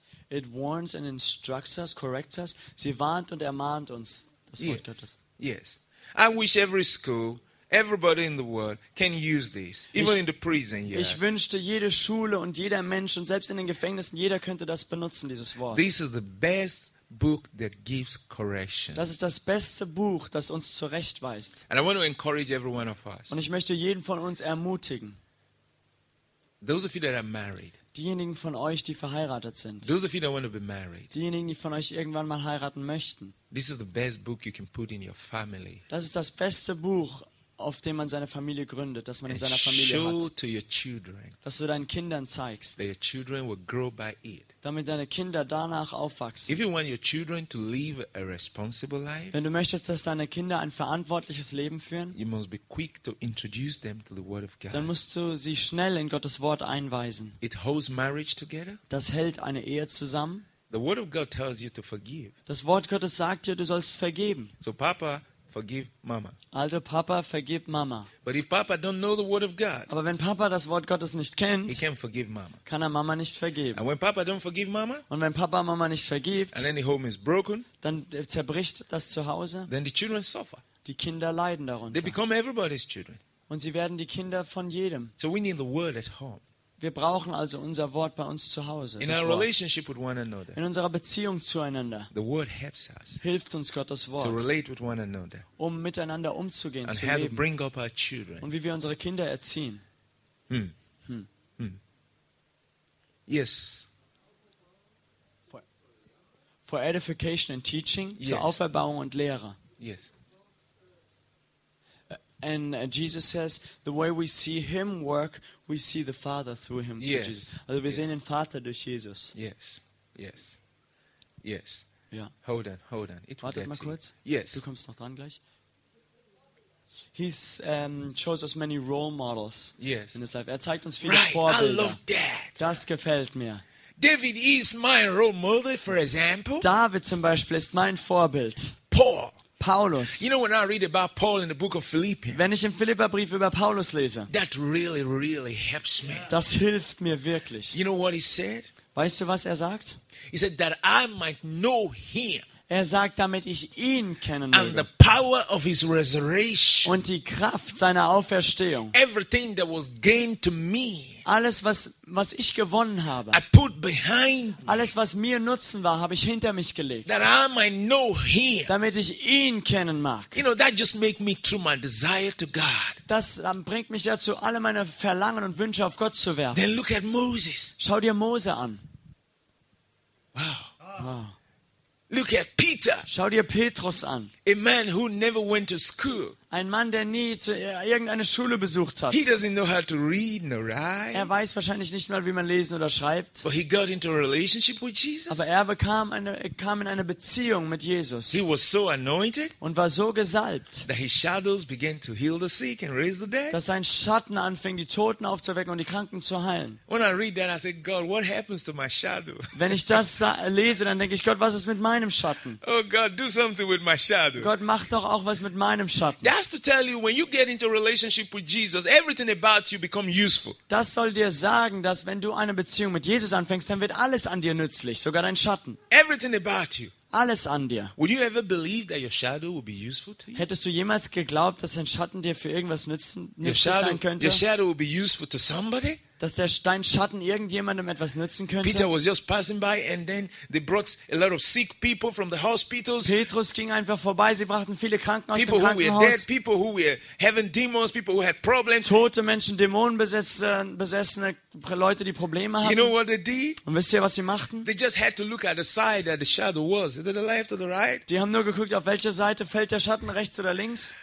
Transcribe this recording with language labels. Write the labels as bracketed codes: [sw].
[en] It warns and instructs us, corrects us. [de] Sie warnt und ermahnt uns, das Wort Gottes. [en] Yes. I wish every school... Everybody in the world can use this, even in the prison. Yeah. [de] Ich wünschte, jede Schule und jeder Mensch und selbst in den Gefängnissen, jeder könnte das benutzen, dieses Wort. [en] This is the best book that gives correction. [de] Das ist das beste Buch, das uns zurechtweist. [en] And I want to encourage every one of us. [de] Und ich möchte jeden von uns ermutigen. [en] Those of you that are married. [de] Diejenigen von euch, die verheiratet sind. [en] Those of you that want to be married. [de] Diejenigen, die von euch irgendwann mal heiraten möchten. [en] This is the best book you can put in your family. [de] Das ist das beste Buch. Auf dem man seine Familie gründet, dass man in seiner Familie hat. [en] To your children, [de] dass du deinen Kindern zeigst, [en] that your children will grow by it. [de] Damit deine Kinder danach aufwachsen. [en] If you want your children to live a responsible life, [de] wenn du möchtest, dass deine Kinder ein verantwortliches Leben führen, [en] you must be quick to introduce them to the Word of God. [de] Dann musst du sie schnell in Gottes Wort einweisen. [en] It holds marriage together. [de] Das hält eine Ehe zusammen. [en] The Word of God tells you to forgive. [de] Das Wort Gottes sagt dir, du sollst vergeben. [en] So Papa, forgive Mama. [de] Also Papa, vergib Mama. [en] But if Papa don't know the word of God, [de] aber wenn Papa das Wort Gottes nicht kennt, [en] he can't forgive Mama. [de] Kann er Mama nicht vergeben. [en] And when Papa don't forgive Mama, [de] und wenn Papa Mama nicht vergibt, [en] and then the home is broken, [de] dann zerbricht das Zuhause. [en] Then the children suffer. [de] Die Kinder leiden darunter. [en] They become everybody's children. [de] Und sie werden die Kinder von jedem. [en] So we need the word at home. [de] Wir brauchen also unser Wort bei uns zu Hause. [en] In, our relationship with one another, [de] in unserer Beziehung zueinander. [en] The word helps us, [de] hilft uns Gottes Wort. [en] To relate with one another, [de] um miteinander umzugehen, [en] and [de] zu [en] how [de] leben. [en] To bring up our children. [de] Und wie wir unsere Kinder erziehen. [en] Yes. For edification and teaching. Yes. [de] Zur Auferbauung und Lehre. [en] Yes. And Jesus says, the way we see him work, we see the Father through him. Yes. [de] Jesus. Also wir sehen den Vater durch Jesus. [en] Yes. Yes. Yes. Yeah. Hold on. [de] Wartet mal kurz. [en] Yes. [de] Du kommst noch dran gleich. [en] He's shows us many role models. Yes. In his life. [de] Er zeigt uns viele Vorbilder. [en] Right. I love that. [de] Das gefällt mir. [en] David is my role model, for example. [de] David zum Beispiel ist mein Vorbild. [en] Paul. [de] Paulus. [en] You know, when I read about Paul in the book of Philippians. [de] Wenn ich im Philipperbrief über Paulus lese. [en] That really, really helps me. [de] Das hilft mir wirklich. [en] You know what he said? [de] Weißt du, was er sagt? [en] He said that I might know him. [de] Er sagt, damit ich ihn kennen möge. [en] And the power of his resurrection. [de] Und die Kraft seiner Auferstehung. [en] Everything that was gained to me. [de] Alles, was ich gewonnen habe, [en] I put behind me, [de] alles, was mir Nutzen war, habe ich hinter mich gelegt, [en] that I might know him, [de] damit ich ihn kennen mag. [en] You know, that just make me true my desire to God. [de] Das bringt mich dazu, alle meine Verlangen und Wünsche auf Gott zu werfen. [en] Then look at Moses. [de] Schau dir Mose an. Wow. Wow. [en] Look at Peter. [de] Schau dir Petrus an. [en] A man who never went to school. [de] Ein Mann, der nie irgendeine Schule besucht hat. [en] He doesn't know how to read nor write. [de] Er weiß wahrscheinlich nicht mal, wie man lesen oder schreibt. [en] But he got into a relationship with Jesus. [de] Aber er kam in eine Beziehung mit Jesus. [en] He was so anointed. [de] Und war so gesalbt. [en] That his shadows began to heal the sick and raise the dead. [de] Dass sein Schatten anfing, die Toten aufzuwecken und die Kranken zu heilen. [en] When I read that, I say, God, what happens to my shadow? [de] Wenn ich das lese, dann denke ich, Gott, was ist mit meinem Schatten? [en] Oh God, do something with my shadow. [de] Gott, mach doch auch was mit meinem Schatten. [en] That's to tell you, when you get into a relationship with Jesus, everything about you becomes useful. [de] Das soll dir sagen, dass wenn du eine Beziehung mit Jesus anfängst, dann wird alles an dir nützlich, sogar dein Schatten. [en] Everything about you. [de] Alles an dir. [en] Would you ever believe that your shadow would be useful to you? [de] Hättest du jemals geglaubt, dass dein Schatten dir für irgendwas nützlich sein könnte? [en] Your shadow would be useful to somebody? [de] Dass der Stein Schatten irgendjemandem etwas nützen könnte. [en] Peter was just passing by and then they brought a lot of sick people from the hospitals. [de] Petrus ging einfach vorbei, sie brachten viele Kranken aus [en] people [de] dem Krankenhaus. [en] People who were dead, people who were having demons, people who had problems. [de] Tote Menschen, Dämonenbesessene, Leute, die Probleme hatten. [en] You know what they did? [de] Und wisst ihr, was sie machten? [en] They just had to look at the side that the shadow was. Is it the left or the right? [de] Die haben nur geguckt, auf welcher Seite fällt der Schatten, rechts oder links?